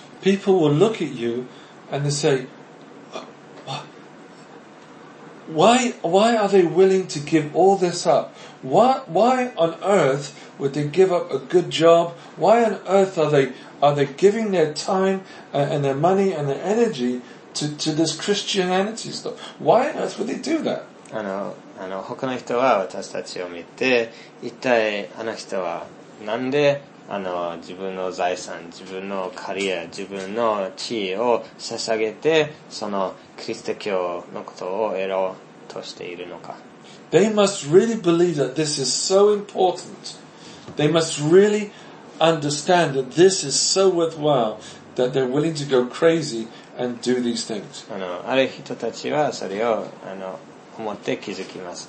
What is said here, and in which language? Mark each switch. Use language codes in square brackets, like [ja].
[en] People will look at you and they say, why are they willing to give all this up? Why on earth would they give up a good job? Why on earth are they giving their time and their money and their energy to this Christianity stuff? Why on earth would they do that? [ja] 他の人は私たちを見て、一体人はなんで自分の財産、自分のカリア、自分の地位を捧げて、そのキリスト教のことを得ろうとしているのか。 [en] They must really believe that this is so important. They must really understand that this is so worthwhile. that they're willing to go crazy and do these things. [ja] ある人たちはそれを思って気づきます。